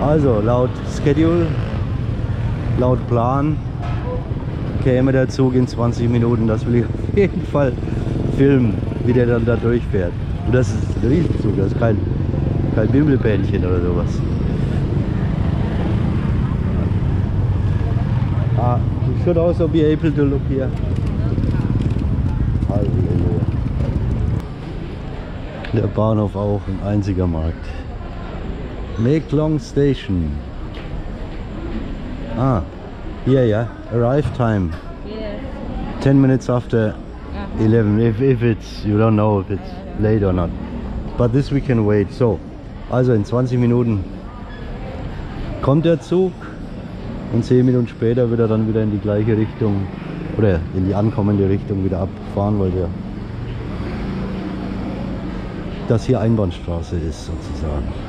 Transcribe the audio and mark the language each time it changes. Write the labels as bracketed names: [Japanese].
[German] Also, laut Schedule, laut Plan, käme der Zug in 20 Minuten, das will ich auf jeden Fall filmen, wie der dann da durchfährt. Und das ist ein Riesenzug, das ist kein Bimmelbähnchen oder sowas. [English] Ah, you should also be able to look here. [German] Halleluja. Der Bahnhof auch, ein einziger Markt. Mekong Station. Ah, hier ja, [English] Arrive Time. 10 minutes after 11, if it's, you don't know if it's late or not. But this we can wait. [German] So, also in 20 Minuten kommt der Zug und 10 Minuten später wird er dann wieder in die gleiche Richtung oder in die ankommende Richtung wieder abfahren, weil der das hier Einbahnstraße ist sozusagen.